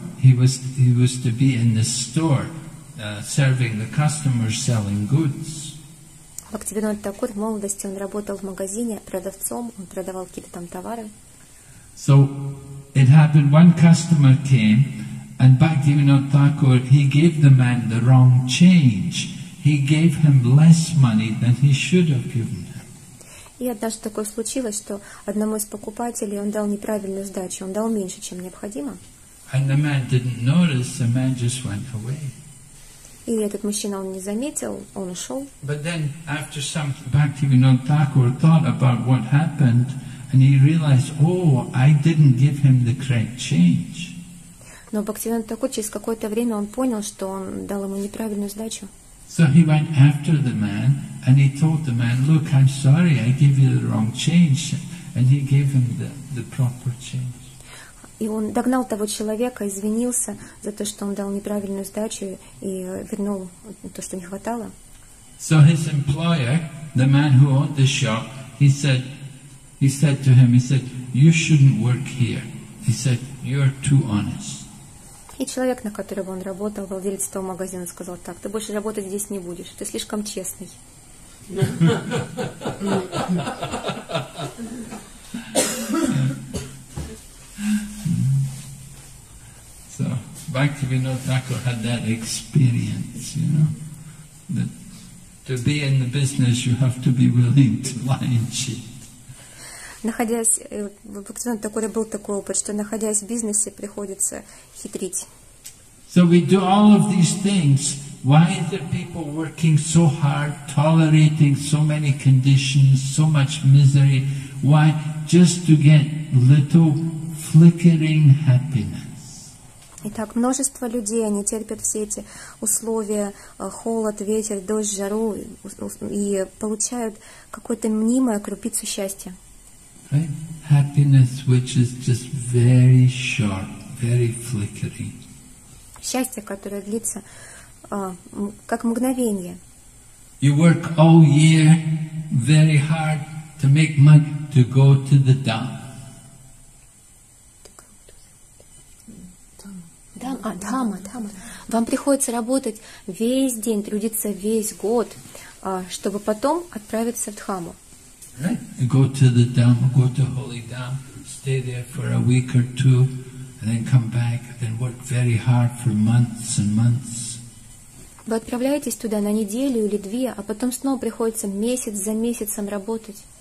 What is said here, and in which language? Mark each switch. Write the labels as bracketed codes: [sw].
[en] He was to be in the store, serving the customers, selling goods. [ru] Бхактивинод Тхакур в молодости он работал в магазине продавцом, он продавал какие-то там товары. [en] So it happened, one customer came, and Bhaktivinoda Thakur, he gave the man the wrong change. He gave him less money than he should have given him. [ru] И однажды такое случилось, что одному из покупателей он дал неправильную сдачу, он дал меньше, чем необходимо. [en] And the man didn't notice, the man just went away. [ru] И этот мужчина, он не заметил, он ушел. [en] But then, after some, Bhaktivinoda Thakur thought about what happened, and he realized, oh, I didn't give him the correct change. [ru] Но Бхактивинода Тхакур через какое-то время он понял, что он дал ему неправильную сдачу. [en] So he went after the man, and he told the man, look, I'm sorry, I gave you the wrong change. And he gave him the proper change. [ru] И он догнал того человека, извинился за то, что он дал неправильную сдачу и вернул то, что не хватало. [en] So his employer, the man who owned the shop, he said to him, you shouldn't work here. He said, you're too honest. [ru] И человек, на которого он работал, владелец того магазина, сказал так: ты больше работать здесь не будешь, ты слишком честный. [en] Bhaktivinoda Thakur had that experience, you know, that to be in the business you have to be willing to lie and cheat. [ru] Находясь, Бхактивинода Тхакура был такой опыт, что находясь в бизнесе приходится хитрить. [en] So we do all of these things. Why are the people working so hard, tolerating so many conditions, so much misery? Why? Just to get little flickering happiness. [ru] Итак, множество людей, они терпят все эти условия, холод, ветер, дождь, жару, и получают какое-то мнимое крупицу счастья. [en] Right? Happiness, which is just very short, very flickering. [ru] Счастье, которое длится как мгновение. [en] You work all year very hard to make money to go to the dump. [ru] Дама. Вам приходится работать весь день, трудиться весь год, чтобы потом отправиться в Дхаму. [en] Right. Go to the Dham, go to Holy Dham, stay there for a week or two, and then come back, then work very hard for months and months. [ru] Вы отправляетесь туда на неделю или две, а потом снова приходится месяц за месяцем работать.